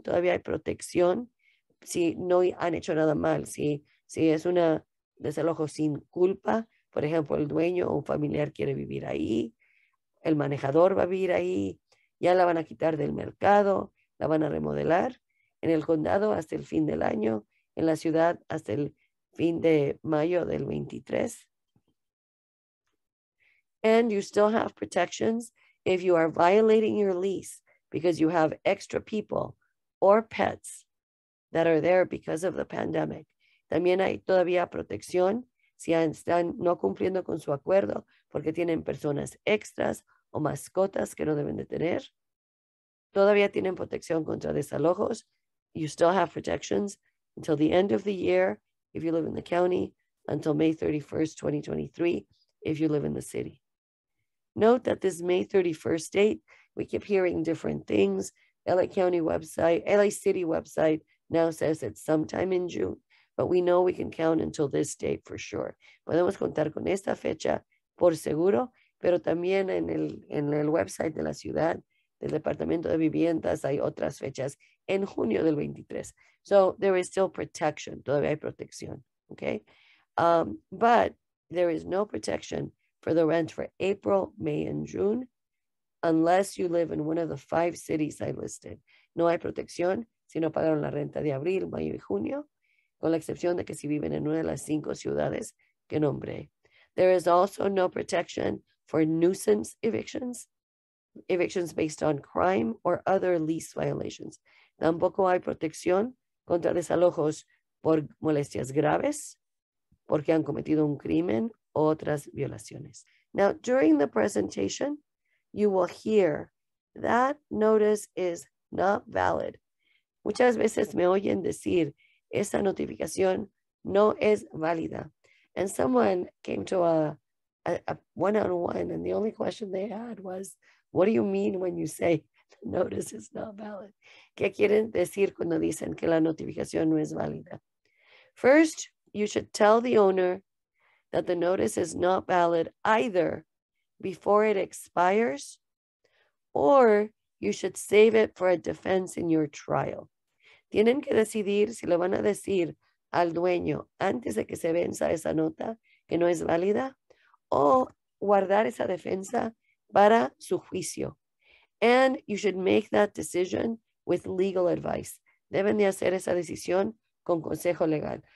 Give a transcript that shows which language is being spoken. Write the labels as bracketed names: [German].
[Spanish] Todavía hay protección si no han hecho nada mal, si es una desalojo sin culpa. Por ejemplo, el dueño o un familiar quiere vivir ahí, el manejador va a vivir ahí, ya la van a quitar del mercado, la van a remodelar. En el condado hasta el fin del año, en la ciudad hasta el fin de mayo del 23. [English] And you still have protections if you are violating your lease because you have extra people or pets that are there because of the pandemic. [Spanish] También hay todavía protección si están no cumpliendo con su acuerdo porque tienen personas extras o mascotas que no deben de tener. Todavía tienen protección contra desalojos. [English] You still have protections until the end of the year if you live in the county, until May 31st, 2023, if you live in the city. Note that this May 31st date, we keep hearing different things. LA County website, LA City website now says it's sometime in June, but we know we can count until this date for sure. [Spanish] Podemos contar con esta fecha por seguro, pero también en el website de la ciudad, del Departamento de Viviendas, hay otras fechas en junio del 23. [English] So there is still protection. [Spanish] Todavía hay protección. [English] Okay. But there is no protection for the rent for April, May, and June unless you live in one of the five cities I listed. [Spanish] No hay protección si no pagaron la renta de abril, mayo y junio, con la excepción de que si viven en una de las cinco ciudades que nombré. [English] There is also no protection for nuisance evictions. Evictions based on crime or other lease violations. [Spanish] Tampoco hay protección contra desalojos por molestias graves, porque han cometido un crimen o otras violaciones. [English] Now, during the presentation, you will hear that notice is not valid. [Spanish] Muchas veces me oyen decir, esa notificación no es válida. [English] And someone came to a one-on-one, and the only question they had was, what do you mean when you say the notice is not valid? [Spanish] ¿Qué quieren decir cuando dicen que la notificación no es válida? [English] First, you should tell the owner that the notice is not valid either before it expires, or you should save it for a defense in your trial. [Spanish] Tienen que decidir si le van a decir al dueño antes de que se venza esa nota que no es válida, o guardar esa defensa para su juicio. [English] And you should make that decision with legal advice. [Spanish] Deben de hacer esa decisión con consejo legal.